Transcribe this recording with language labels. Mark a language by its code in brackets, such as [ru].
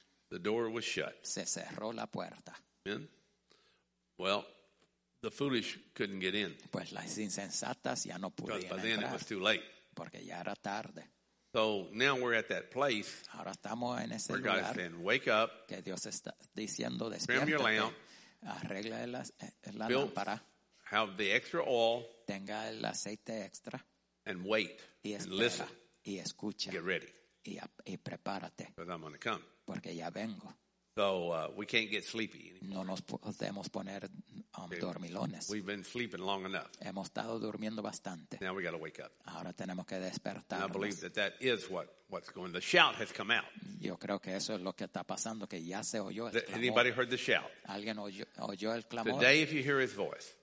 [en] The door was shut. [es] Se cerró la puerta. [en] Amen. Well, the foolish couldn't get in. [es] Pues las insensatas ya no pudieron entrar. [en] Because by then it was too late. [es] Porque ya era tarde. [en] So now we're at that place. [es] Ahora estamos en ese lugar. [en] Where God's saying, wake up. [es] Que Dios está diciendo, despiértate. [en] Trim your lamp. [es] Arregla la lámpara. [en] Have the extra oil. [es] Tenga el aceite extra. [en] And wait. [es] Y espera, [en] and listen. [es] Y escucha. [en] Get ready. [es] Y prepárate. [en] Because I'm going to come. [es] Porque ya vengo. [en] So we can't get sleepy anymore. [es] No nos podemos poner dormilones. [en] We've been sleeping long enough. [es] Hemos estado durmiendo bastante. [en] Now we got to wake up. [es] Ahora tenemos que despertarnos. [en] And I believe that that is what's going on. The shout has come out. [es] Yo creo que eso es lo que está pasando, que ya se oyó el clamor. [en] Anybody heard the shout? [es] ¿Alguien oyó el clamor? [en] Today, if you hear his voice.